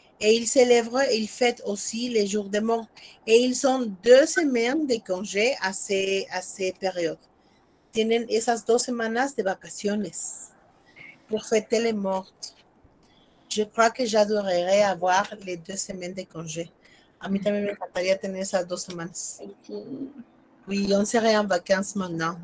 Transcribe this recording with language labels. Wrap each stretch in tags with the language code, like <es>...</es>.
<fr>Et ils célèbrent, ils fêtent aussi les jours de mort. Et ils ont deux semaines de congé à ces périodes.</fr> <es>Tienen esas dos semanas de vacaciones</es> <fr>pour fêter les morts. Je crois que j'adorerais avoir les deux semaines de congé.</fr> <es>A mí también me encantaría tener esas dos semanas.</es> <fr>Oui, on serait en vacances maintenant.</fr>